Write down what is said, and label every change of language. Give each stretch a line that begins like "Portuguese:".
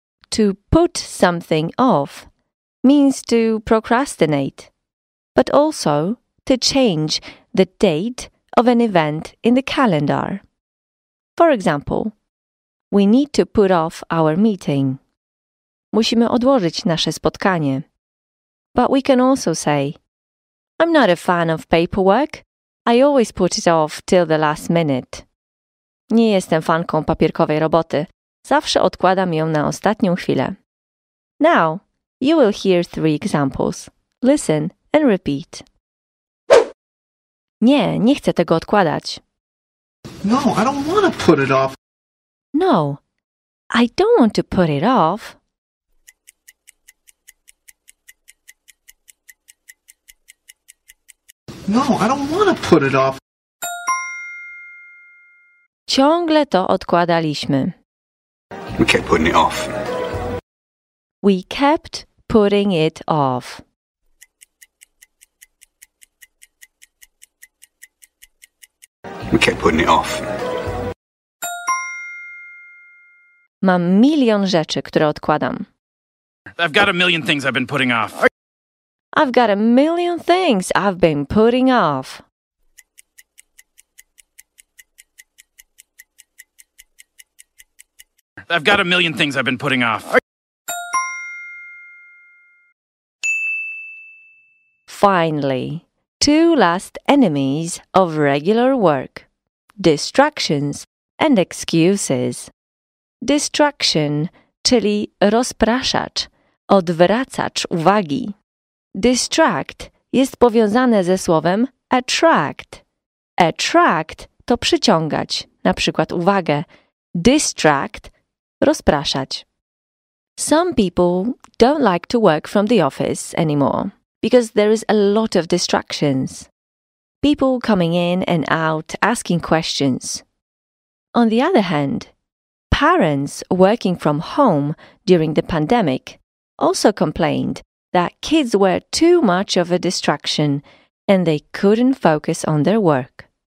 English: To put something off means to procrastinate, but also to change the date of an event in the calendar. For example, we need to put off our meeting.
Polish: Musimy odłożyć nasze spotkanie.
English: But we can also say, I'm not a fan of paperwork. I always put it off till the last minute.
Polish: Nie jestem fanką papierkowej roboty. Zawsze odkładam ją na ostatnią chwilę.
English: Now, you will hear three examples. Listen and repeat.
Polish: Nie, nie chcę tego odkładać.
English: No, I don't want to put it off. No, I don't want to put it off. No, I don't want to put it off.
Polish: Ciągle to odkładaliśmy.
English: We kept putting it off. We kept putting it off. We kept putting it off.
Polish: Mam milion rzeczy, które odkładam.
English: I've got a million things I've been putting off. I've got a million things I've been putting off. I've got a million things I've been putting off. Finally, two last enemies of regular work. Distractions and excuses.
Polish: Distraction, czyli rozpraszacz, odwracacz uwagi. Distract jest powiązane ze słowem attract. Attract to przyciągać, na przykład uwagę. Distract, rozpraszać.
English: Some people don't like to work from the office anymore because there is a lot of distractions. People coming in and out asking questions. On the other hand, parents working from home during the pandemic also complained that kids were too much of a distraction and they couldn't focus on their work.